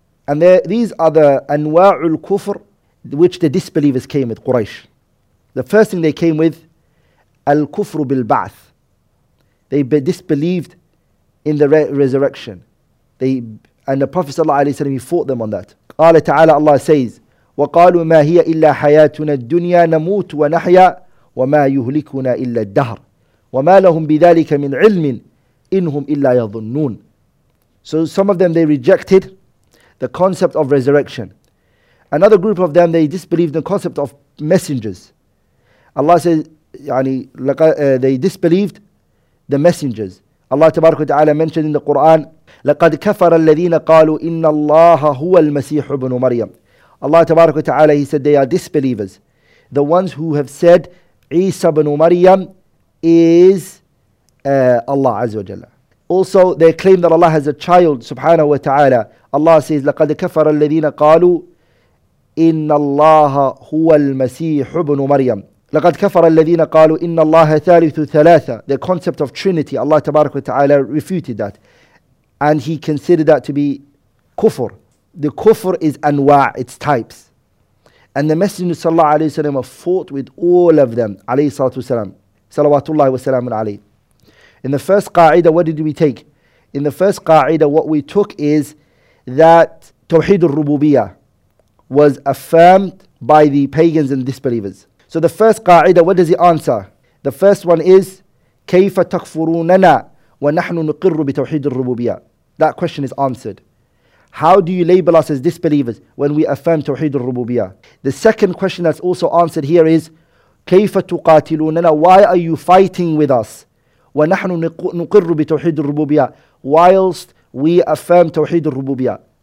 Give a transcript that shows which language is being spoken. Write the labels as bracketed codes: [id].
[en] And these are the anwa'ul kufr, which the disbelievers came with, Quraysh. The first thing they came with, al-kufr bil-ba'th. They disbelieved in the resurrection. And the Prophet sallallahu alayhi wa sallam, he fought them on that. [ar] Qala ta'ala, [en] Allah says, [ar] وَقَالُوا مَا هِيَ إِلَّا حَيَاتُنَا الدُّنْيَا نَمُوتُ وَنَحْيَا وَمَا يُهْلِكُنَا إِلَّا الدَّهْرِ وَمَا لَهُمْ بِذَلِكَ مِنْ عِلْمٍ إِنْهُمْ إِلَّا يَظُنُّونَ. [en] So some of them, they rejected the concept of resurrection. Another group of them, they disbelieved the concept of messengers. Allah says, they disbelieved the messengers. Allah tabarak wa ta'ala mentioned in the Quran, [ar] لَقَدْ كَفَرَ الَّذِينَ قَالُوا إِنَّ اللَّهَ هُوَ الْمَسِيحُ بْنُ مَرْيَمُ. [en] Allah tabarak wa ta'ala, he said, they are disbelievers. The ones who have said, Isa ibn Maryam is Allah Azza wa Jalla. Also, they claim that Allah has a child, subhanahu wa ta'ala. [ar] Allah says, لَقَدْ كَفَرَ الَّذِينَ قَالُوا إِنَّ اللَّهَ هُوَ الْمَسِيحُ بْنُ مَرْيَمُ. لَقَدْ كَفَرَ الَّذِينَ قَالُوا إِنَّ اللَّهَ ثَالِثُ ثَلَاثَ. [en] The concept of Trinity, Allah tabarak wa ta'ala refuted that. And he considered that to be kufr. The kufr is anwa', its types. And the Messenger sallallahu alayhi wa sallam fought with all of them, alayhi salatu wa sallam, salawatullahi wa sallam alayhi. In the first qa'idah, what did we take? In the first qa'idah, what we took is that tawheed al-rububiyah was affirmed by the pagans and disbelievers. So the first qa'idah, what does he answer? The first one is, [ar] كَيْفَ تَكْفُرُونَنَا وَنَحْنُ نُقِرُّ بِتَوْحِيدِ الرُّبُوبِيَةِ. [en] That question is answered. How do you label us as disbelievers when we affirm Tawheed al-Rububiyah? The second question that's also answered here is, [ar] كَيْفَ تُقَاتِلُونَنَا. [en] Why are you fighting with us? [ar] وَنَحْنُ نُقِرُّ بِتَوْحِيدِ الرُّبُوبِيَةِ. [en] Whilst we affirm Tawheed al-Rububiyah.